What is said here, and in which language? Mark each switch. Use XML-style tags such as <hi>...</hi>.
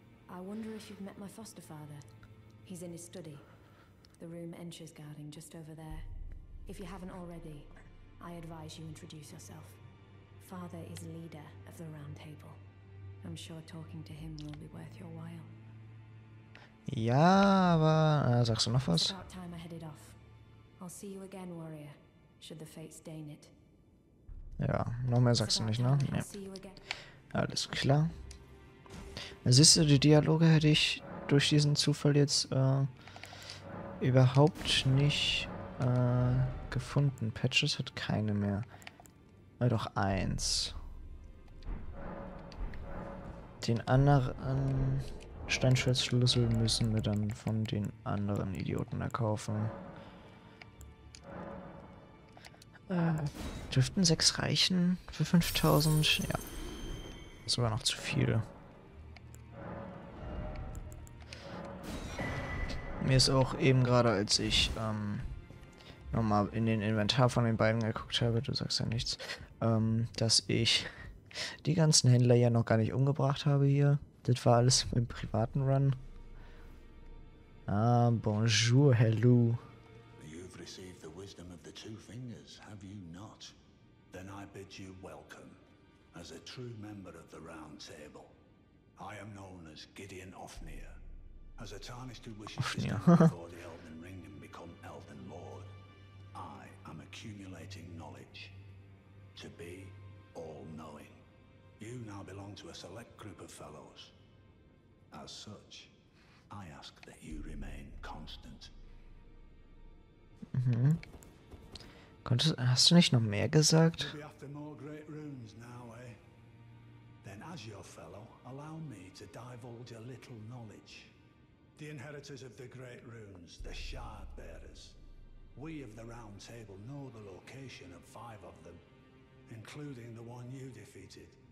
<en>I wonder if you've met my foster father. He's in his study. The room Ensure's guarding just over there. If you haven't already, I advise you introduce yourself. Father is leader of the round table. I'm sure talking to him will be worth your while.</en> <de>Ja, aber sagst du noch was?</de> <en>It's about time I headed off. I'll see you again, warrior, should the fates deign it.</en> <de>Ja, noch mehr sagst du nicht, ne? Nee.</de> <en>See you again.</en> <de>Alles klar. Siehst du, die Dialoge hätte ich durch diesen Zufall jetzt überhaupt nicht gefunden. Patches hat keine mehr. Doch eins. Den anderen Steinschwertschlüssel müssen wir dann von den anderen Idioten erkaufen. Dürften 6 reichen für 5000? Ja. Sogar noch zu viel. Mir ist auch eben gerade, als ich nochmal in den Inventar von den beiden geguckt habe, du sagst ja nichts, dass ich die ganzen Händler ja noch gar nicht umgebracht habe hier. Das war alles im privaten Run.</de> <en>Ah, bonjour, hello. You've received the wisdom of the two fingers, have you not? Then I bid you welcome. As a true member of the Round Table, I am known as Gideon Ofnir. As a tarnished who wishes to stand before the Elven Ring and become Elven Lord, I am accumulating knowledge to be all-knowing. You now belong to a select group of fellows. As such, I ask that you remain constant. Mhm.</en> <de>Konntest, hast du nicht noch mehr gesagt?</de> <en>You'll be after more great runes now, eh? Then as your fellow, allow me to divulge a little knowledge. The inheritors of the great runes, the shard bearers. We of the round table know the location of five of them, including the one you defeated.</en>